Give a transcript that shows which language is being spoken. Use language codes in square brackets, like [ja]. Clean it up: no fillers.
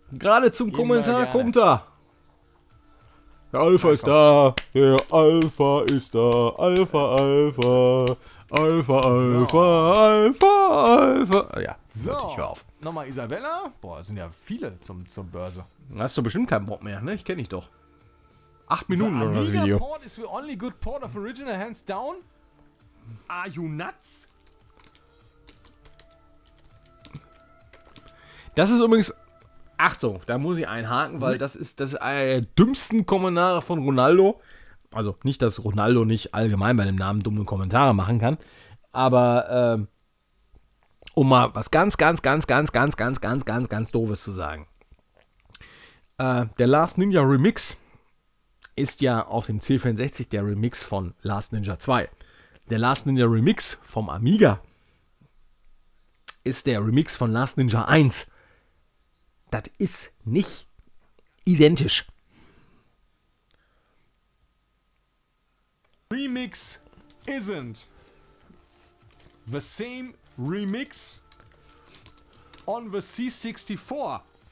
[de] Gerade zum immer Kommentar, gerne. Kommt da. Der Alpha ist da, der Alpha ist da, Alpha, Alpha, Alpha, Alpha, Alpha, Alpha. Ja, so, ich hör auf. Nochmal Isabella. Boah, das sind ja viele zur Börse. Hast du bestimmt keinen Bock mehr, ne? Ich kenne dich doch. 8 Minuten noch das Video. [en] The Amiga port is the only good port of original hands down. Are you nuts? [de] Das ist übrigens... Achtung, da muss ich einhaken, weil das ist einer der dümmsten Kommentare von Ronaldo. Also nicht, dass Ronaldo nicht allgemein bei dem Namen dumme Kommentare machen kann, aber um mal was ganz, ganz, ganz, ganz, ganz, ganz, ganz, ganz, ganz Doofes zu sagen. Der Last Ninja Remix ist ja auf dem C64 der Remix von Last Ninja 2. Der Last Ninja Remix vom Amiga ist der Remix von Last Ninja 1. Das ist nicht identisch. [en] Remix isn't the same remix on the C64.